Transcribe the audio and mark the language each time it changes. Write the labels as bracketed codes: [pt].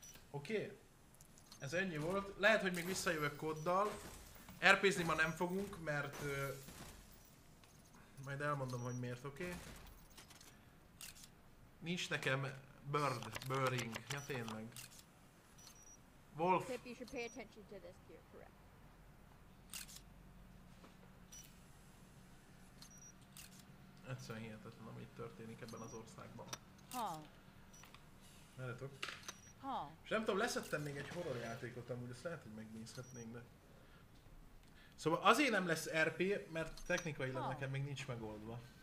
[hu] Oké? Okay? Ez ennyi volt. Lehet, hogy még visszajövök koddal. RP-zni ma nem fogunk, mert... majd elmondom, hogy miért, oké? Okay? Nincs nekem bird, burring. Ja, tényleg. Wolf! [en] Tip, you should pay attention to this here, correct. [hu] Egyszerűen hihetetlen, ami itt történik ebben az országban. Hall. Mellettok. Hall. És nem tudom, leszettem még egy horror játékot amúgy, ezt lehet, hogy megnézhetnénk, de... Szóval azért nem lesz RP, mert technikailag nekem még nincs megoldva.